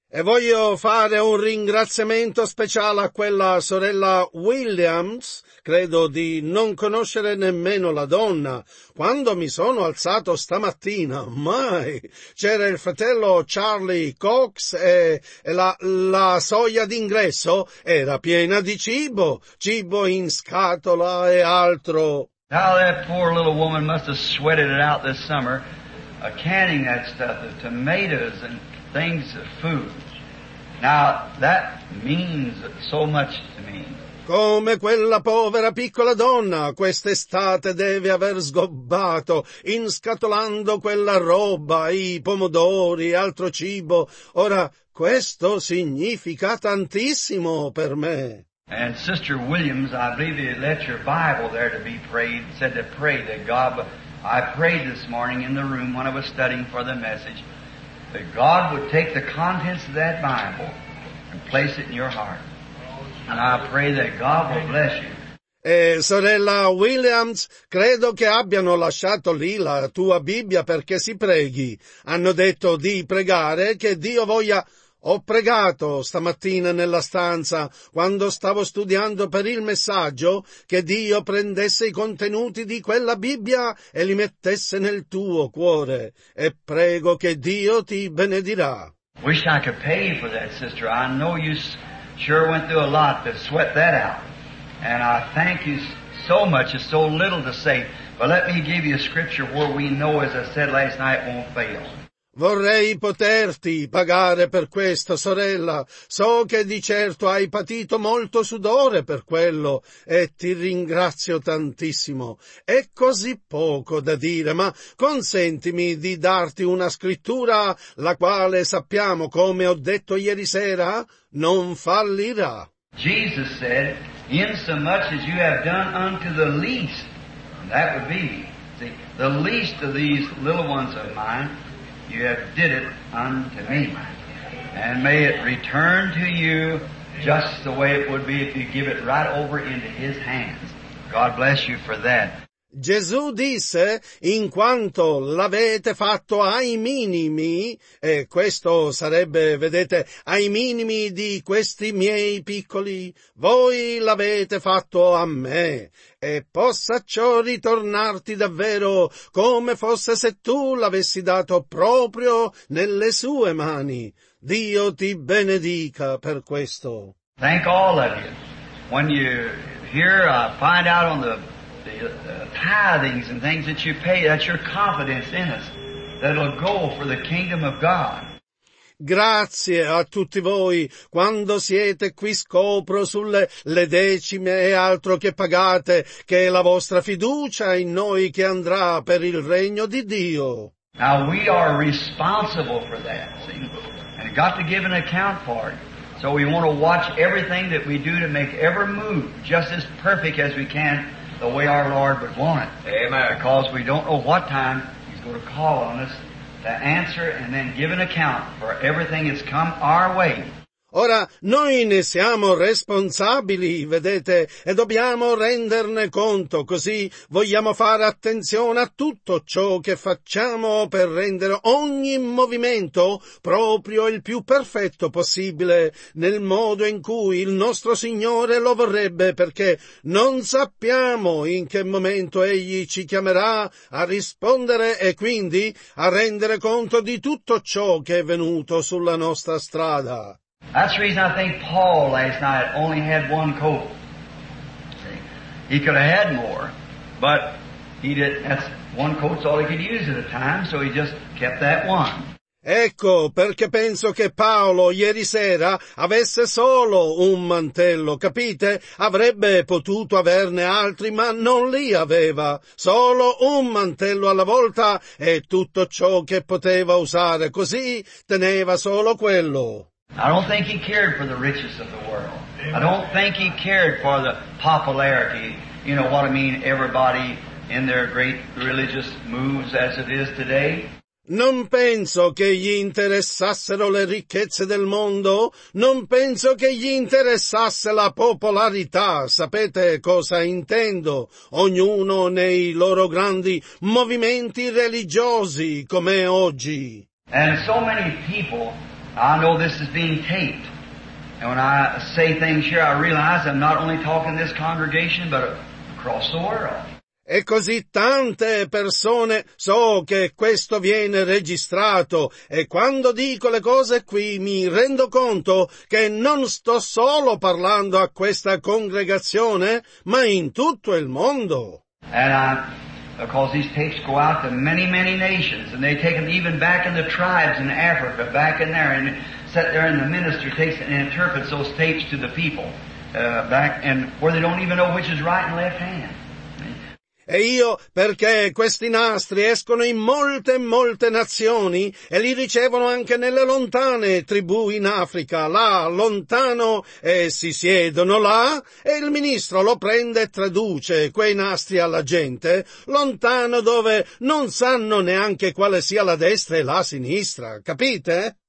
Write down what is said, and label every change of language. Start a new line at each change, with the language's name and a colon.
Italian: E voglio fare un ringraziamento speciale a quella sorella Williams, credo di non conoscere nemmeno la donna. Quando mi sono alzato stamattina, mai, c'era il fratello Charlie Cox e la soglia d'ingresso era piena di cibo in scatola e altro.
English: Now that poor little woman must have sweated it out this summer, canning that stuff, the tomatoes and things of food. Now, that means so much to me.
Italian: Come quella povera piccola donna, quest'estate deve aver sgobbato, inscatolando quella roba, i pomodori, altro cibo. Ora, questo significa tantissimo per me.
English: And Sister Williams, I believe you let your Bible there to be prayed, said to pray that God, I prayed this morning in the room when I was studying for the message, that God would take the contents of that Bible and place it in your heart. And I pray that God will bless you.
Italian: Sorella Williams, credo che abbiano lasciato lì la tua Bibbia perché si preghi. Hanno detto di pregare che Dio voglia. Ho pregato stamattina nella stanza, quando stavo studiando per il messaggio, che Dio prendesse i contenuti di quella Bibbia e li mettesse nel tuo cuore. E prego che Dio ti benedirà.
English: Wish I could pay for that, sister. I know you sure went through a lot to sweat that out. And I thank you so much. It's so little to say. But let me give you a scripture where we know, as I said last night, won't fail.
Italian: Vorrei poterti pagare per questo, sorella. So che di certo hai patito molto sudore per quello, e ti ringrazio tantissimo. È così poco da dire, ma consentimi di darti una scrittura, la quale sappiamo, come ho detto ieri sera, non fallirà.
English: Jesus said, in so much as you have done unto the least, and that would be, the least of these little ones of mine, you have did it unto me, and may it return to you just the way it would be if you give it right over into His hands. God bless you for that.
Italian: Gesù disse, in quanto l'avete fatto ai minimi, e questo sarebbe, vedete, ai minimi di questi miei piccoli, voi l'avete fatto a me, e possa ciò ritornarti davvero come fosse se tu l'avessi dato proprio nelle sue mani. Dio ti benedica per questo.
English: Thank all of you. When you hear, find out on the tithings and things that you pay, that's your confidence in us that'll go for the kingdom of God.
Italian: Grazie a tutti voi. Quando siete qui scopro sulle decime e altro che pagate, che è la vostra fiducia in noi che andrà per il regno di Dio.
English: Now we are responsible for that, see? And got to give an account for it. So we want to watch everything that we do to make every move just as perfect as we can the way our Lord would want it. Amen. Because we don't know what time He's going to call on us to answer and then give an account for everything that's come our way.
Italian: Ora, noi ne siamo responsabili, vedete, e dobbiamo renderne conto, così vogliamo fare attenzione a tutto ciò che facciamo per rendere ogni movimento proprio il più perfetto possibile nel modo in cui il nostro Signore lo vorrebbe, perché non sappiamo in che momento Egli ci chiamerà a rispondere e quindi a rendere conto di tutto ciò che è venuto sulla nostra strada.
English: That's the reason I think Paul last night only had one coat. See, he could have had more, but he didn't. That's one coat's all he could use at a time, so he just kept that one.
Italian: Ecco perché penso che Paolo ieri sera avesse solo un mantello, capite? Avrebbe potuto averne altri, ma non li aveva. Solo un mantello alla volta è tutto ciò che poteva usare, così teneva solo quello.
English: I don't think he cared for the riches of the world. I don't think he cared for the popularity. You know what I mean? Everybody in their great religious moves as it is today.
Italian: Non penso che gli interessassero le ricchezze del mondo. Non penso che gli interessasse la popolarità. Sapete cosa intendo? Ognuno nei loro grandi movimenti religiosi come oggi.
English: And so many people, I know this is being taped, and when I say things here, I realize I'm not only talking this congregation, but across the world.
Italian: E così tante persone so che questo viene registrato, e quando dico le cose qui mi rendo conto che non sto solo parlando a questa congregazione, ma in tutto il mondo.
English: Because these tapes go out to many, many nations, and they take them even back in the tribes in Africa, back in there, and sit there, and the minister takes and interprets those tapes to the people, back, and where they don't even know which is right and left hand.
Italian: E io, perché questi nastri escono in molte, molte nazioni e li ricevono anche nelle lontane tribù in Africa, là, lontano, e si siedono là, e il ministro lo prende e traduce quei nastri alla gente, lontano dove non sanno neanche quale sia la destra e la sinistra, capite?